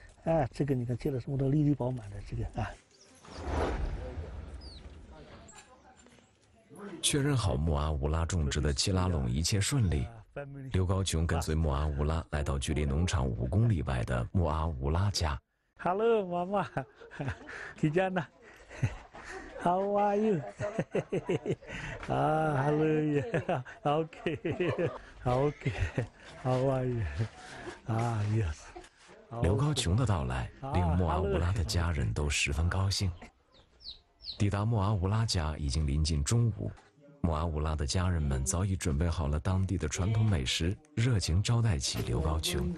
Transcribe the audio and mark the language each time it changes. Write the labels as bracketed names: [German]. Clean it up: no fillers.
[Chinese] 啊，这个你看结了什么都粒粒饱满的这个啊。确认好穆阿乌拉种植的切拉拢一切顺利，刘高琼跟随穆阿乌拉来到距离农场5公里外的穆阿乌拉家。 [English] Hello， 妈妈，吉佳娜 ，How are you？啊 ，Hello， yeah， okay， okay， How are you？啊 ，Yes。 [Chinese] 刘高琼的到来令穆阿乌拉的家人都十分高兴。抵达穆阿乌拉家已经临近中午，穆阿乌拉的家人们早已准备好了当地的传统美食，热情招待起刘高琼。